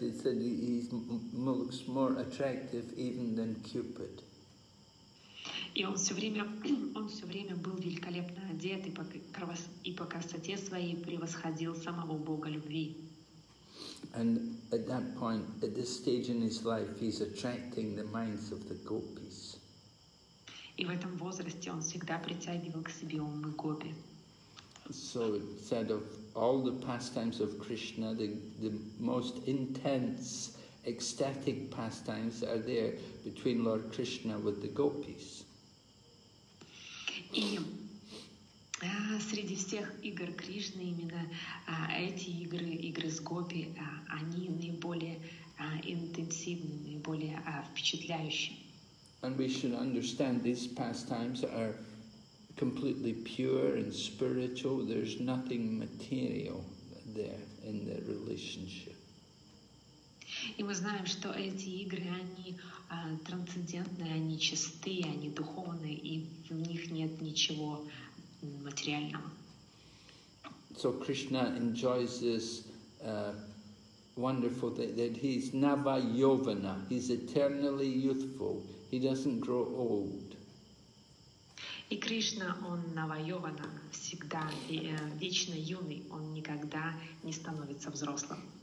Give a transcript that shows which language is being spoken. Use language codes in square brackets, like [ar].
[en] It said he looks more attractive even than Cupid. [ru] И он все время был великолепно одет и по красоте своей превосходил самого Бога любви. [en] And at that point, at this stage in his life, he's attracting the minds of the gopis. [ru] И в этом возрасте он всегда притягивал к себе умы гопи. [en] So it said of all the pastimes of Krishna, the most intense ecstatic pastimes are there between Lord Krishna with the gopis. [ru] И среди всех игр Кришны именно эти игры, игры с гопи, они наиболее интенсивны, наиболее впечатляющие. [en] And we should understand these pastimes are completely pure and spiritual. There's nothing material there in their relationship. [ru] И мы знаем, что эти игры, они трансцендентные, они чистые, они духовные, и в них нет ничего материального. [en] So Krishna enjoys this wonderful thing that he's Navayovana, he's eternally youthful, he doesn't grow old. [ru] И Кришна, он Навайована, всегда вечно юный, он никогда не становится взрослым.